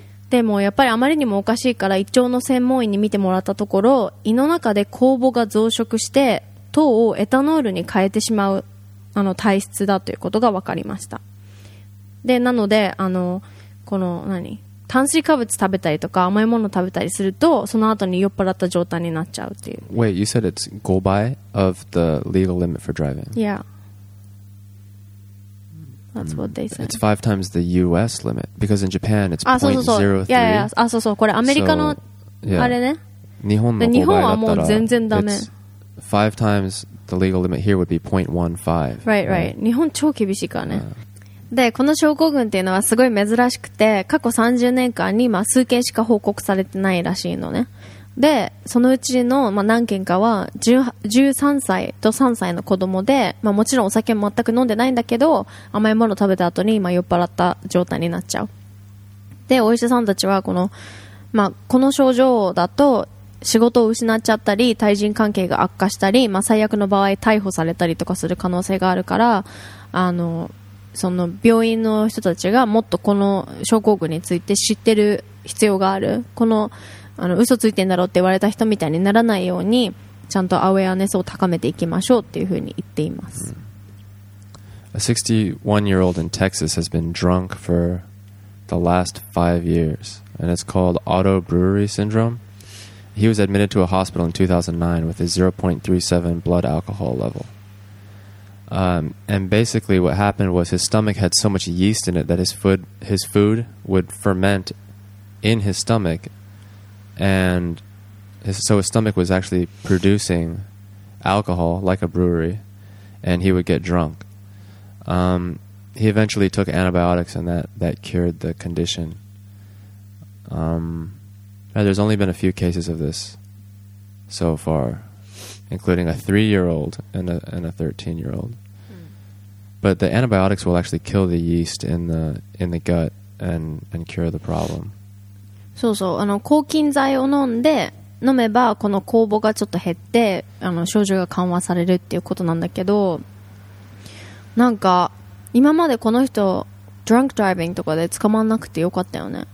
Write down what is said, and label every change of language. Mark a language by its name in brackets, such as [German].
[Japanese] でもやっぱりあまりにもおかしいから胃腸の専門医に見てもらったところ、胃の中で酵母が増殖して糖をエタノールに変えてしまうあの体質だということが分かりました。でなのであのこの何炭水化物食べたりとか甘いもの食べたりするとその後に酔っ払った状態になっちゃうっていう [English] Wait, you said it's 5倍 of the legal limit for driving Yeah That's what they said It's 5 times the US limit Because in Japan it's 0.03 Yeah, yeah, yeah. [Japanese] あ、そうそうこれアメリカの [English] so, [Japanese] あれね、 [English] yeah. [Japanese] 日本の5倍だったら日本はもう全然ダメ [English] 5 times the legal limit here would be 0.15 Right, right, right. [Japanese] 日本超厳しいからね、 [English] yeah. [Japanese] でこの症候群っていうのはすごい珍しくて過去30年間に、まあ、数件しか報告されてないらしいのねでそのうちの、まあ、何件かは13歳と3歳の子供で、まあ、もちろんお酒も全く飲んでないんだけど甘いもの食べた後に、まあ、酔っ払った状態になっちゃうでお医者さんたちはこの、まあ、この症状だと仕事を失っちゃったり対人関係が悪化したり、まあ、最悪の場合逮捕されたりとかする可能性があるからあのその病院の人たちがもっとこの症候群について知ってる必要があるこの、 あの嘘ついてんだろうって言われた人みたいにならないようにちゃんとアウェアネスを高めていきましょうっていうふうに言っています、 hmm. [English] A 61-year-old in Texas has been drunk for the last 5 years and it's called Auto Brewery Syndrome He was admitted to a hospital in 2009 with a 0.37 blood alcohol leveland basically what happened was his stomach had so much yeast in it that his food would ferment in his stomach and his stomach was actually producing alcohol like a brewery and he would get drunk. He eventually took antibiotics and that cured the condition. There's only been a few cases of this so far, including a 3-year-old and a 13-year-old. But the antibiotics will actually kill the yeast in the gut and cure the problem. [Japanese] そうそう、あの抗菌剤を飲めばこの酵母がちょっと減って、あの症状が緩和されるっていうことなんだけど、なんか今までこの人 [English] drunk driving [Japanese] とかで捕まんなくてよかったよね。